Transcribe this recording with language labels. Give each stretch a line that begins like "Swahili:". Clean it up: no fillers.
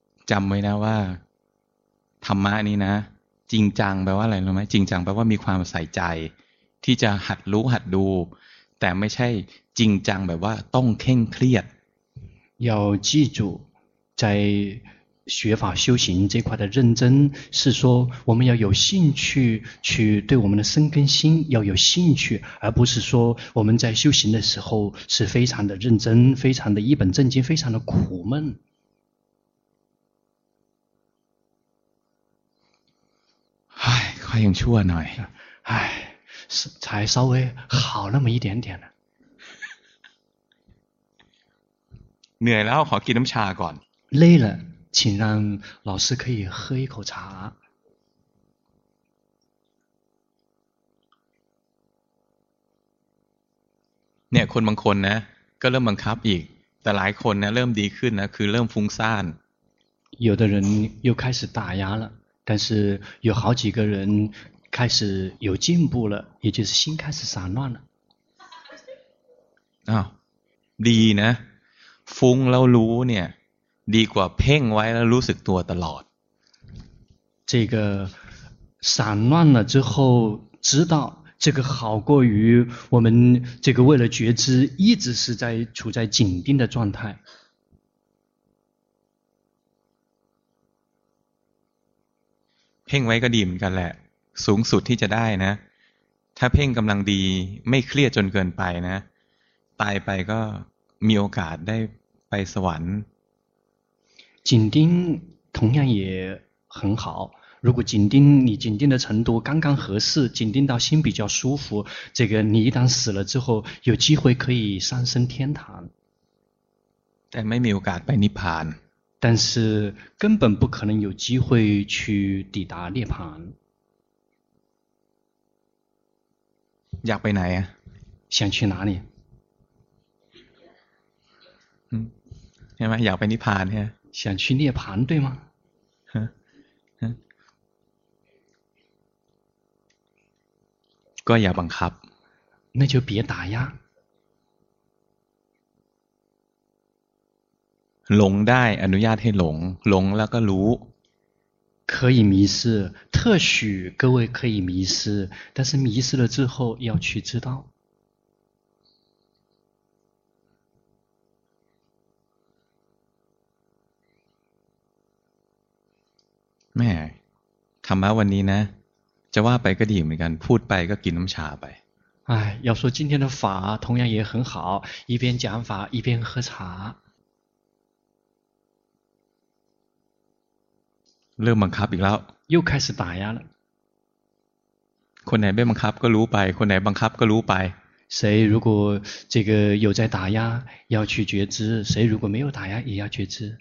Thai: จำไว้นะว่าธรรมะนี้นะจริงจังแปลว่าอะไรรู้ไหมจริงจังแปลว่ามีความใส่ใจที่จะหัดรู้หัดดูแต่ไม่ใช่จริงจังแบบว่าต้องเคร่งเครียด
Chinese: 要记住在学法修行这块的认真是说我们要有兴趣去对我们的生根心要有兴趣而不是说我们在修行的时候是非常的认真非常的一本正经非常的苦闷还用去问呢哎才稍微好那么一点点呢累了好给他们茶管累了请让老师可以喝一口茶
Thai: เนี่ยคนบางคนนะก็เริ่มบังคับอีกแต่หลายคนนะเริ่มดีขึ้นนะคือเริ่มฟุ้งซ่าน
Chinese: 有的人又开始打压了但是有好几个人开始有进步了也就是心开始散乱了
Thai: 啊ดีนะฟุ้งแล้วรู้เนี่ยดีกว่าเพ่งไว้แล้วรู้สึกตัวตลอด
Chinese: 这个散乱了之后知道这个好过于我们这个为了觉知一直是在处在紧盯的状态
Thai: เพ่งไว้ก็ดีเหมือนกันแหละสูงสุดที่จะได้นะถ้าเพ่งกำลังดีไม่เครียดจนเกินไปนะตายไปก็มีโอกาสได้ไปสวรรค์
Chinese: 紧盯同样也很好如果紧盯你紧盯的程度刚刚合适紧盯到心比较舒服这个你一旦死了之后有机会可以上升天堂
Thai: แต่ไม่มีโอกาสไปนิพพาน แต่
Chinese: 是根本不可能有机会去抵达涅槃
Thai: อยากไปไหนอ่ะ
Chinese: 想去哪里
Thai: ใช่ไหมอยากไปนิพพานใช่ไหม
Chinese: 想去涅槃对吗
Thai: ก็อย่าบังคับ
Chinese: 那就别打压
Thai: หลงได้อนุญาตให้หลงหลงแล้วก็รู้
Chinese: 可以迷失特许各位可以迷失但是迷失了之后要去知道
Thai: แม่ธรรมะวันนี้นะจะว่าไปก็ดีเหมือนกันพูดไปก็กินน้ำชาไป
Chinese: 哎要说今天的法同样也很好一边讲法一边喝茶
Thai: เริ่มบังคับอีกแล้ว
Chinese: 又开始打压了
Thai: คนไหนไม่บังคับก็รู้ไปคนไหนบังคับก็รู้ไป
Chinese: 谁如果这个有在打压要去觉知谁如果没有打压也要觉知